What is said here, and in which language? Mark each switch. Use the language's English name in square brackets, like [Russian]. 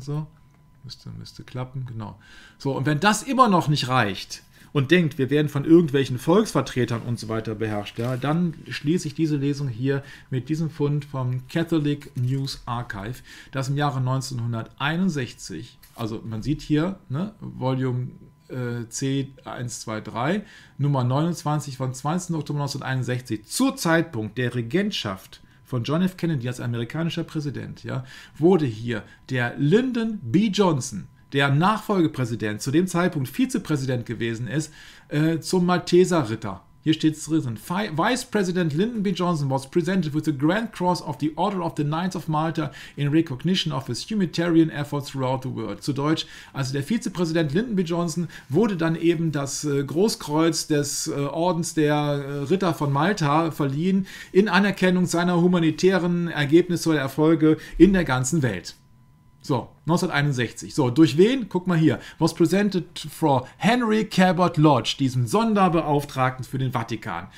[German] So, müsste klappen, genau. So, und wenn das immer noch nicht reicht und denkt, wir werden von irgendwelchen Volksvertretern und so weiter beherrscht, ja, dann schließe ich diese Lesung hier mit diesem Fund vom Catholic News Archive, das im Jahre 1961, also man sieht hier, ne, Volume C123, Nummer 29 von 20. Oktober 1961, zu Zeitpunkt der Regentschaft von John F. Kennedy als amerikanischer Präsident, ja, wurde hier der Lyndon B. Johnson, der Nachfolgepräsident, zu dem Zeitpunkt Vizepräsident gewesen ist, zum Malteserritter. Hier steht es drin: [English] Vice President Lyndon B. Johnson was presented with the Grand Cross of the Order of the Knights of Malta in recognition of his humanitarian efforts throughout the world. [German] Zu Deutsch, also der Vizepräsident Lyndon B. Johnson wurde dann eben das Großkreuz des Ordens der Ritter von Malta verliehen in Anerkennung seiner humanitären Ergebnisse oder Erfolge in der ganzen Welt. So, 1961. So, durch wen? Guck mal hier. [English] Was presented for [German] Henry Cabot Lodge, diesem Sonderbeauftragten für den Vatikan.